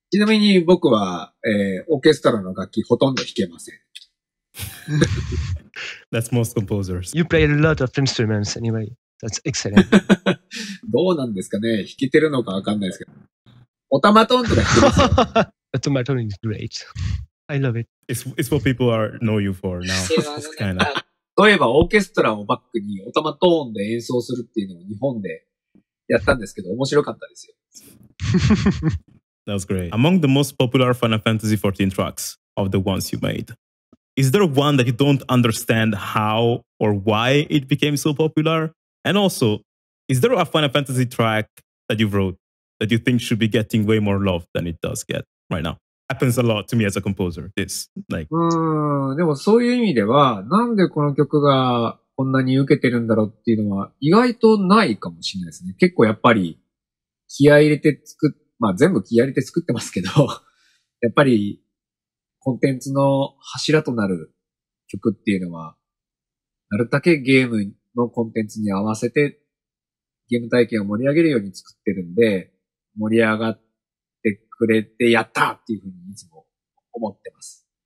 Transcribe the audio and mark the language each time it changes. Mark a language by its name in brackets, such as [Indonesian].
[Japanese] ちなみに僕は、オーケストラの楽器ほとんど弾けません。 [English] That's most composers. You play a lot of instruments anyway. That's excellent. [Japanese] どうなんですかね、弾けてるのかわかんないですけど。オタマトンとか弾けます [English] よ。オタマトン is great. I love it. It's what people are know you for now. kind of. [Japanese] 例えばオーケストラをバックにオタマトーンで演奏するっていうのを日本でやったんですけど、面白かったですよ。 [English] That was great. Among the most popular Final Fantasy XIV tracks of the ones you made, is there one that you don't understand how or why it became so popular? And also, is there a Final Fantasy track that you wrote that you think should be getting way more love than it does get right now? Happens a lot to me as a composer. This, like. [Japanese] でもそういう意味では、なんでこの曲がこんなに受けてるんだろうっていうのは意外とないかもしれないですね。結構やっぱり気合い入れて作って、まあ全部気合入れて作ってますけど、やっぱりコンテンツの柱となる曲っていうのは、なるだけゲームのコンテンツに合わせてゲーム体験を盛り上げるように作ってるんで、盛り上がってくれてやったっていうふうにいつも思ってます。